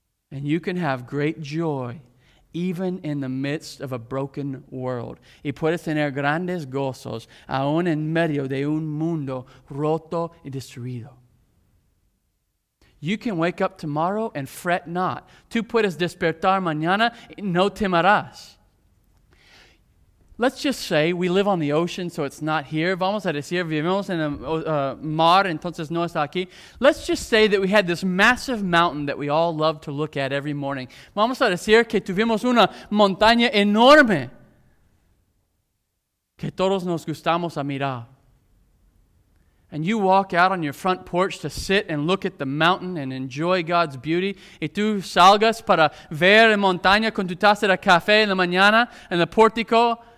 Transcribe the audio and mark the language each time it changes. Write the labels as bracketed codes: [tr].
[en] And you can have great joy even in the midst of a broken world. [es] Y puedes tener grandes gozos aún en medio de un mundo roto y destruido. [en] You can wake up tomorrow and fret not. [es] Tú puedes despertar mañana y no temerás. [en] Let's just say we live on the ocean, so it's not here. [es] Vamos a decir, vivimos en el mar, entonces no está aquí. [en] Let's just say that we had this massive mountain that we all love to look at every morning. [es] Vamos a decir que tuvimos una montaña enorme que todos nos gustamos a mirar. [en] And you walk out on your front porch to sit and look at the mountain and enjoy God's beauty. [es] Y tú salgas para ver la montaña con tu taza de café en la mañana en el pórtico.